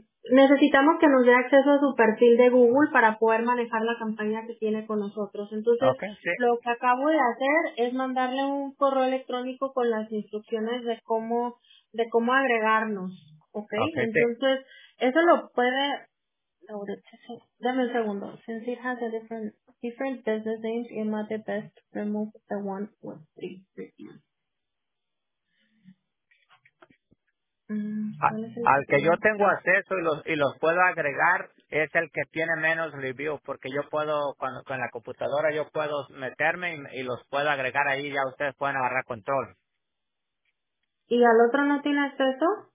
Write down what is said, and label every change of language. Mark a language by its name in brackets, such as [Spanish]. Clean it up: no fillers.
[Spanish] Necesitamos que nos dé acceso a su perfil de Google para poder manejar la campaña que tiene con nosotros. Entonces, okay, sí. Lo que acabo de hacer es mandarle un correo electrónico con las instrucciones de cómo agregarnos, ¿okay? Okay, entonces, sí. Eso lo puede... Dame un segundo. [English] Since it has a different business name, it might be best to remove the one with three reviews. [Spanish] Al que yo tengo acceso y los puedo agregar es el que tiene menos review, porque yo puedo, con la computadora, yo puedo meterme y los puedo agregar ahí, ya ustedes pueden agarrar control. ¿Y al otro no tiene acceso?